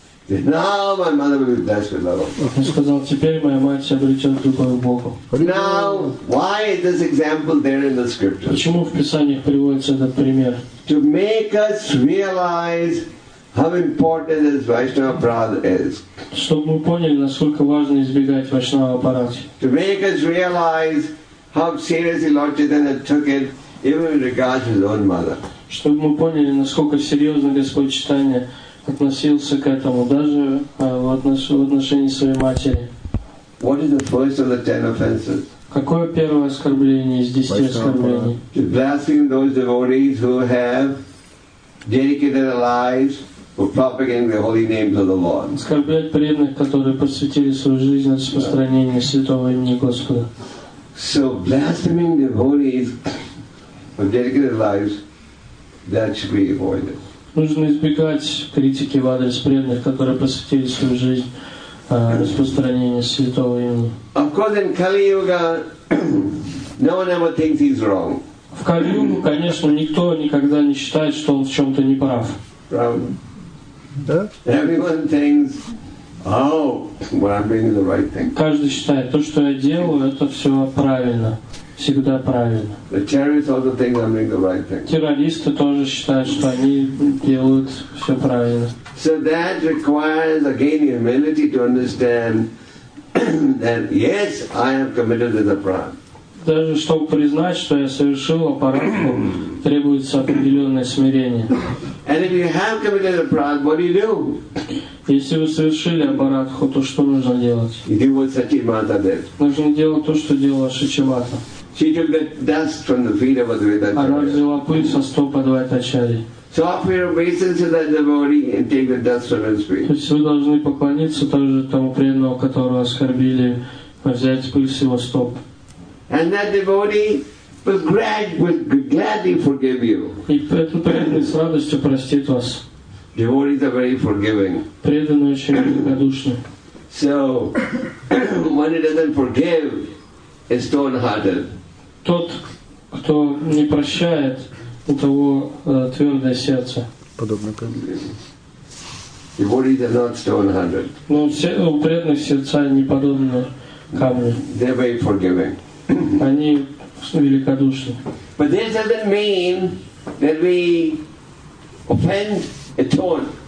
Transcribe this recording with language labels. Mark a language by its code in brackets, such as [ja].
[en] He said, now my mother will be blessed with love. [ru] Он сказал, теперь моя мать обретет любовь к Богу. [en] Now, why is this example there in the scriptures? [ru] Почему в Писаниях приводится этот пример? [en] To make us realize how important this Vaishnava Aparadhi is. [ru] Чтобы мы поняли, насколько важно избегать Вайшнава Апарадхи. [en] To make us realize how seriously Lord Chaitanya took it, even in regards to his own mother. [ru] Чтобы мы поняли, насколько серьезно Господь Читания относился к этому, даже в отношении своей матери. [en] What is the first of the ten offenses? [ru] Какое первое оскорбление из десяти оскорблений? [en] To blaspheme those devotees who have dedicated their lives for propagating the holy names of the Lord. [ru] Оскорблять преданных, которые посвятили свою жизнь распространению святого имени Господа. [en] So blaspheming devotees for dedicated their lives, that should be avoided. [ru] Нужно избегать критики в адрес преданных, которые посвятили свою жизнь распространению святого имени. [en] Of course, in Kali Yuga, no one ever thinks he's wrong. [ru] В Кали-Югу, конечно, никто никогда не считает, что он в чем-то не прав. [en] Yeah. Everyone thinks, oh, what I'm doing is the right thing. [ru] Каждый считает, то, что я делаю, это все правильно. всегда правильно. [en] The terrorists also think they're doing the right thing. [ru] Террористы тоже считают, что они делают все правильно. [en] So that requires again humility to understand that yes, I have committed the crime. [ru] Даже чтобы признать, что я совершил апарадху, требуется определенное смирение. [en] And if you have committed a prat, what do you do? [ru] Если вы совершили апарадху, то что нужно делать? [en] You do what Сачимата did. [ru] Нужно делать то, что делала Сачимата. [en] She took the dust from the feet of Адвайтачарья. [ru] Она взяла пыль со стоп Адвайтачарья. [en] So offer obeisance to that devotee and take the dust from his feet. [ru] То есть вы должны поклониться также тому преданному, которого оскорбили, взять пыль с его стоп. [en] And that devotee will gladly forgive you. [ru] И этот преданный с радостью простит вас. [en] Devotees are very forgiving. [ru] Преданные очень великодушны. [en] So, one who doesn't forgive is stone-hearted. [ru] Тот, кто не прощает, у того твердое сердце. Подобно как. [en] Devotees are not stone-hearted. [ru] Но все у преданных сердца не подобны камню. [en] They're very forgiving. [ru] Они великодушны. [en] But this doesn't mean that we offend a tone.